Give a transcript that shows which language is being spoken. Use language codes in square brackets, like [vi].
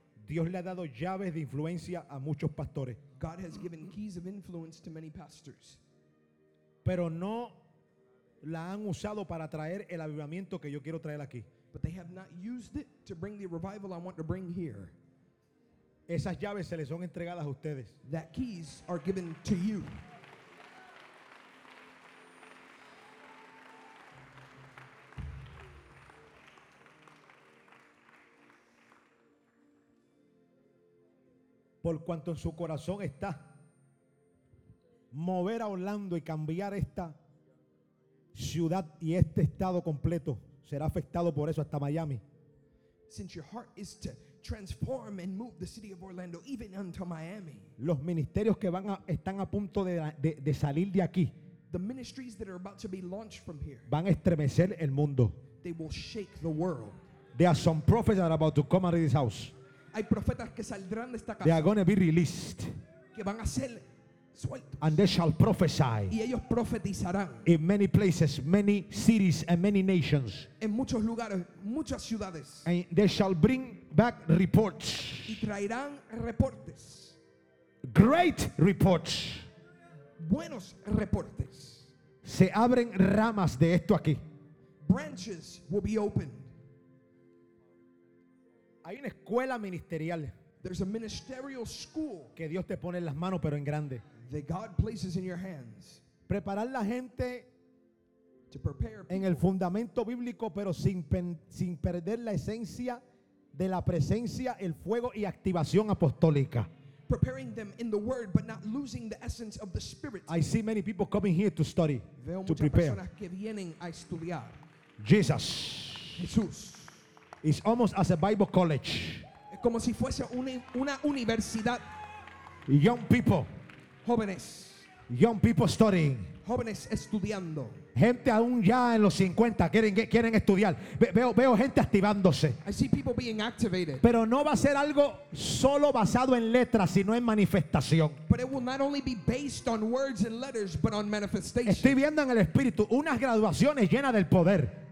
[es] Dios le ha dado llaves de influencia a muchos pastores. [en] God has given keys of influence to many pastors. [es] Pero no la han usado para traer el avivamiento que yo quiero traer aquí. [en] But they have not used it to bring the revival I want to bring here. [es] Esas llaves se les son entregadas a ustedes. [en] That keys are given to you. [es] Por cuanto en su corazón está mover a Orlando y cambiar esta ciudad y este estado completo. Será afectado por eso hasta Miami. [en] Since your heart is to transform and move the city of Orlando even unto Miami. [es] Los ministerios que van a, están a punto de salir de aquí. [en] The ministries that are about to be launched from here. [es] Van a estremecer el mundo. [en] They will shake the world. There are some prophets that are about to come out of this house. [es] Hay profetas que saldrán de esta casa. [en] They are going to be released. [es] Que van a ser sueltos. [en] And they shall prophesy. [es] Y ellos profetizarán. [en] In many places, many cities and many nations. [es] En muchos lugares, muchas ciudades. [en] And they shall bring back reports. [es] Y traerán reportes. [en] Great reports. [es] Buenos reportes. Se abren ramas de esto aquí. [en] Branches will be opened. [es] Hay una escuela ministerial. [en] There's a ministerial school. [es] Que Dios te pone en las manos, pero en grande. [en] That God places in your hands. [es] Preparar la gente [en] to prepare [es] en el fundamento bíblico, pero sin perder la esencia de la presencia, el fuego y activación apostólica. [en] Preparing them in the word, but not losing the essence of the spirit. I see many people coming here to study, [es] veo [en] to prepare. [es] Personas que vienen a estudiar. [en] Jesus. [es] Jesús. [en] It's almost as a Bible college. [es] Es como si fuese una universidad. [en] Young people. [es] Jóvenes. [en] Young people studying. [es] Jóvenes estudiando. Gente aún ya en los 50 quieren estudiar. Veo gente activándose. [en] I see people being activated. [es] Pero no va a ser algo solo basado en letras, sino en manifestación. [en] But it will not only be based on words and letters, but on manifestation. [es] Estoy viendo en el espíritu unas graduaciones llenas del poder.